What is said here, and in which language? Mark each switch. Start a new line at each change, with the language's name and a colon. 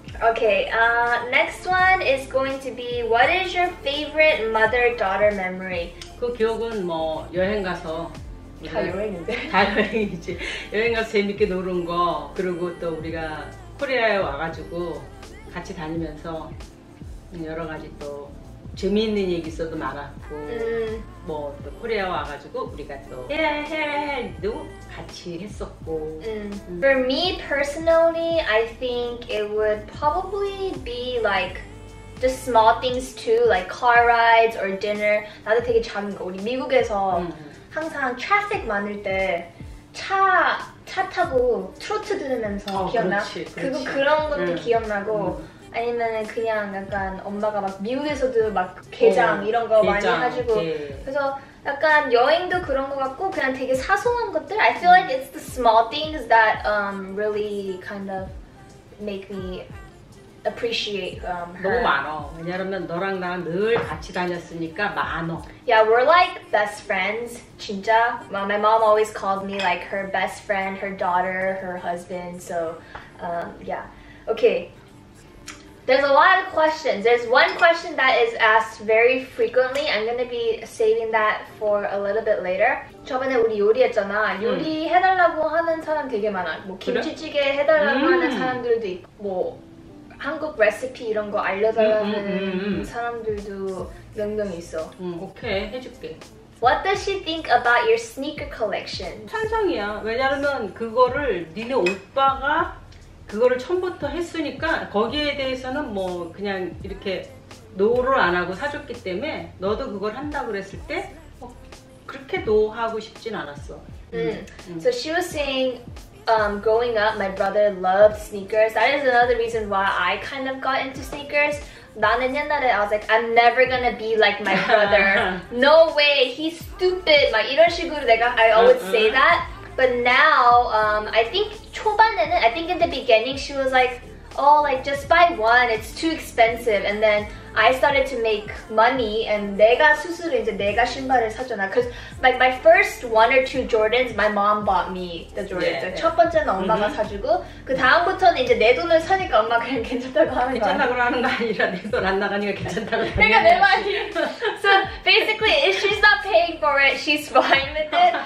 English: Okay, next one is going to be what is your favorite mother-daughter memory?
Korean: 그 기억은 뭐 여행 가서 다 여행인데? 다 여행이지. 여행 가서 재밌게 노는 거 그리고 또 우리가 코리아에 와가지고 같이 다니면서 여러 가지 또 재미있는 얘기서도 많았고 뭐 또 코리아 와가지고 우리가 또 헤헤헤도 같이 했었고
English: For me personally, I think it would probably be like the small things too, like car rides or dinner.
Korean: 나도 되게 작은 거 우리 미국에서 항상 트래픽 많을 때 차 타고 트로트 들으면서 기억나? 그렇지, 그렇지. 그런 것도 기억나고 아니면 그냥 약간 엄마가 막 미국에서도 막 게장 이런 거 게장, 많이 해가지고 그래서 약간 여행도 그런 거 같고 그냥 되게 사소한 것들
English: I feel like it's the small things that really kind of make me appreciate her
Korean: 너무 많아 왜냐면 너랑 나랑 늘 같이 다녔으니까 많아
English: Yeah, we're like best friends
Korean: 진짜
English: well, My mom always called me like her best friend, her daughter, her husband so yeah Okay There's a lot of questions. There's one question that is asked very frequently. I'm gonna be saving that for a little bit later.
Korean: 저번에 우리 요리했잖아. 요리 해달라고 하는 사람 되게 많아. 뭐 김치찌개 해달라고 하는 사람들도 있고, 뭐 한국 레시피 이런 거 알려달라는 사람들도 등등 있어. 오케이 해줄게.
English: What does she think about your sneaker collection?
Korean: 찬성이야. 왜냐하면 그거를 니네 오빠가 그거를 처음부터 했으니까 거기에 대해서는 뭐 그냥 이렇게 노를 안 하고 사줬기 때문에 너도 그걸 한다 그랬을 때 뭐 그렇게 노 하고 싶진 않았어.
English: So she was saying growing up my brother loved sneakers. That is another reason why I kind of got into sneakers.
Korean: 나는 옛날에
English: I was like I'm never gonna be like my brother. No way. He's stupid.
Korean: 막 이런 식으로 내가
English: I always say that. But now, I think
Korean: 초반에는,
English: I think in the beginning, she was like, oh, like just buy one, it's too expensive. And then I started to make money, and
Korean: 내가 스스로 이제 내가 신발을 샀잖아.
English: Because like my first one or two Jordans, my mom bought me the Jordans. Yeah, yeah.
Korean: 첫 번째는 엄마가 사주고, 그 다음부터는 이제 내 돈을 사니까 엄마 그냥 괜찮다고 하는 거 괜찮다고 하는 거 아니라 내 돈 안 나가니까 괜찮다고 그러니까 내 말이.
English: So basically, if she's not paying for it, she's fine with it.